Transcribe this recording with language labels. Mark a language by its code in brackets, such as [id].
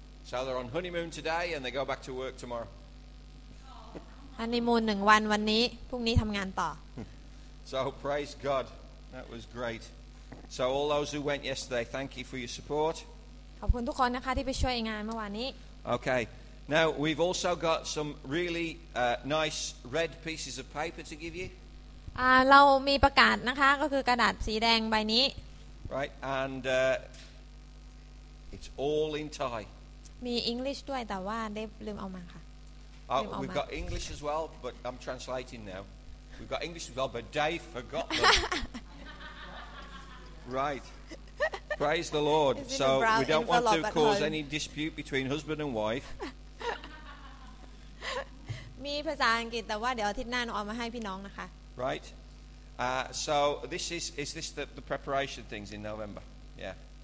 [en] So they're on honeymoon today and they go back to work tomorrow [th] ฮันนีมูน1วันวันนี้พรุ่งนี้ทำงานต่อ [en] So praise God that was great So all those who went yesterday thank you for your support [th] ขอบคุณทุกคนนะคะที่ไปช่วยงานเมื่อวานนี้ [en] Okay now we've also got some really nice red pieces of paper to give you [th] เรามีประกาศนะคะก็คือกระดาษสีแดงใบนี้ [en] Right, and it's all in Thai. [th] มี English ด้วยแต่ว่าเดฟลืมเอามาค่ะ [en] Oh, we've got English as well, but I'm translating now. We've got English as well, but Dave forgot them. Right. Praise the Lord. So we don't want to cause any dispute between husband and wife. [th] มีภาษาอังกฤษแต่ว่าเดี๋ยวอาทิตย์หน้าเอามาให้พี่น้องนะคะ [en] Right. So this is this the preparation things in November, yeah.